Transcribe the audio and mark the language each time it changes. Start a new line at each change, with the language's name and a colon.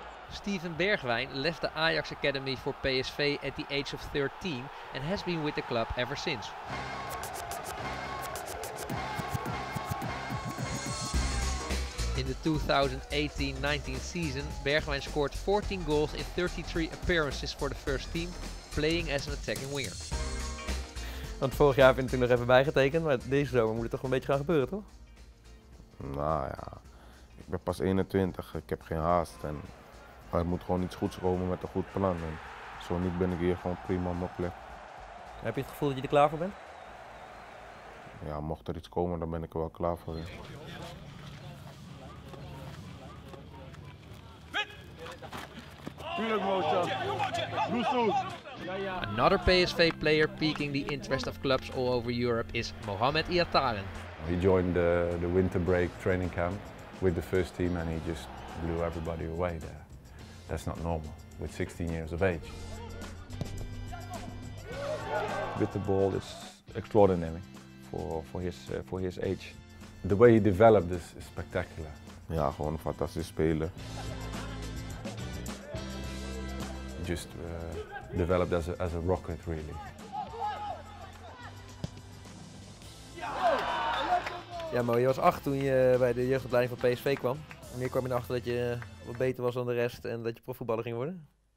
English: Steven Bergwijn left the Ajax Academy for PSV at the age of 13 and has been with the club ever since. In the 2018-19 season, Bergwijn scored 14 goals in 33 appearances for the first team, playing as an attacking winger.
Dutch: Want vorig jaar heb je natuurlijk nog even bijgetekend, maar deze zomer moet het toch een beetje gaan gebeuren, toch? Nou ja, ik ben pas 21, ik heb geen haast. Maar het moet gewoon iets goeds komen met een goed plan. En zo niet ben ik hier gewoon prima op mijn plek. Heb je het gevoel dat je er klaar voor bent? Ja, mocht er iets komen, dan ben ik er wel klaar voor. Ja.
English: Another PSV player piquing the interest of clubs all over Europe is Mohamed Iataren. He joined the winter break training camp with the first team and he just blew everybody away there. That's not normal with 16 years of age. With the ball, it's extraordinary for his age. The way he developed is spectacular.
Dutch: Ja, gewoon een fantastisch speler.
English: Just developed as a rocket, really.
Dutch: Ja, maar je was 8 toen je bij de jeugdopleiding van PSV kwam. Wanneer kwam je erachter dat je wat beter was dan de rest en dat je profvoetballer ging worden?